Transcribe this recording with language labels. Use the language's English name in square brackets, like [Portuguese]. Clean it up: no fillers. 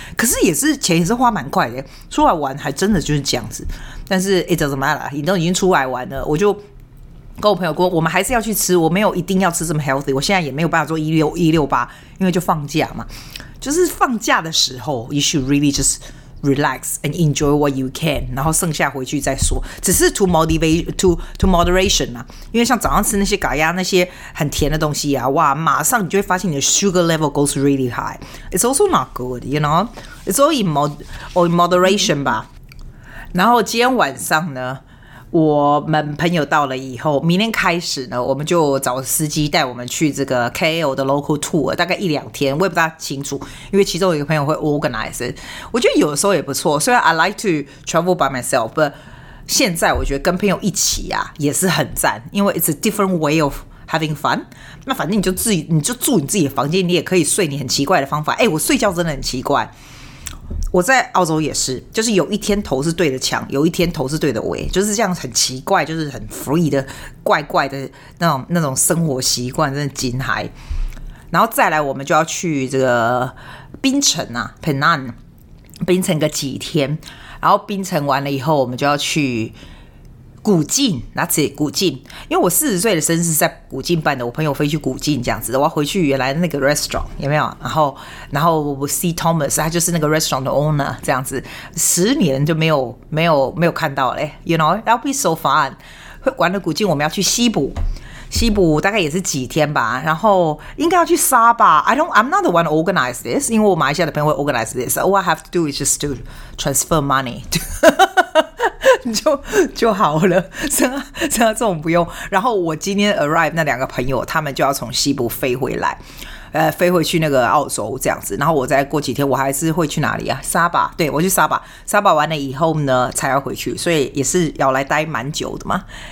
[Chinese] 可是也是钱也是花蛮快的，出来玩还真的就是这样子。但是 [English] it doesn't matter， [Chinese] 你都已经出来玩了，我就跟我朋友说，我们还是要去吃，我没有一定要吃这么 healthy， 我现在也没有办法做168，因为就放假嘛。就是放假的时候 ， [English] you should really just relax and enjoy what you can， [Chinese] 然后剩下回去再说，只是 [English] to moderation、啊、 [Chinese] 因为像早上吃那些咖呀那些很甜的东西啊，哇，马上你就会发现你的 [English] sugar level goes really high， it's also not good， you know， it's all in moderation 吧。 [Chinese] 然后今天晚上呢，我们朋友到了以后，明天开始呢，我们就找司机带我们去这个 KL 的 local tour， 大概一两天，我也不大清楚，因为其中一个朋友会 organize it。我觉得有的时候也不错，虽然 [English] I like to travel by myself， [Chinese] but 现在我觉得跟朋友一起啊也是很赞，因为 [English] it's a different way of having fun。 [Chinese] 那反正你就住你自己的房间，你也可以睡你很奇怪的方法。哎，我睡觉真的很奇怪，我在澳洲也是，就是有一天头是对着墙，有一天头是对着尾，就是这样很奇怪，就是很 free 的怪怪的那种生活习惯，真的惊骇。然后再来我们就要去这个槟城啊 Penang， 槟城个几天，然后槟城完了以后我们就要去古晋，那是古晋，因为我40岁的生日是在古晋办的，我朋友飞去古晋这样子，我要回去原来那个 restaurant 有没有？然后我 see Thomas， 他就是那个 restaurant 的 owner 这样子，10年就没有看到嘞 ， [English] you know that'll be so fun。 [Chinese] 完了古晋，我们要去西部大概也是几天吧，然后应该要去沙巴。 [English] I'm not the one organize this， 因为我马来西亚的朋友会 organize this。 All I have to do is just to transfer money。 [Chinese] 就好了，真的这种不用。然后我今天 arrive 那两个朋友，他们就要从西部飞回来，飞回去那个澳洲这样子。然后我再过几天，我还是会去哪里啊？沙巴，对，我去沙巴。沙巴完了以后呢，才要回去，所以也是要来待蛮久的嘛。